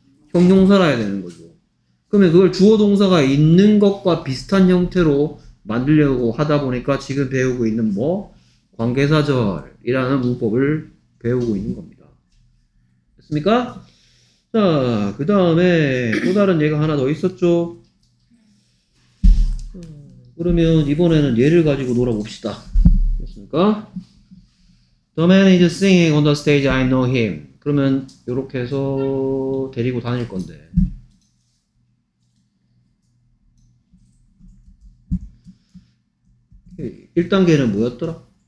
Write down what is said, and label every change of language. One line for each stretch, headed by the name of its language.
Korean: 형용사라야 되는 거죠. 그러면 그걸 주어 동사가 있는 것과 비슷한 형태로 만들려고 하다 보니까 지금 배우고 있는 뭐 관계사절이라는 문법을 배우고 있는 겁니다. 됐습니까? 자, 그 다음에 또 다른 예가 하나 더 있었죠. 그러면 이번에는 예를 가지고 놀아봅시다. 됐습니까?
English: The man is singing on the stage, I know him.
Korean: 그러면 이렇게 해서 데리고 다닐 건데 1단계는 뭐였더라?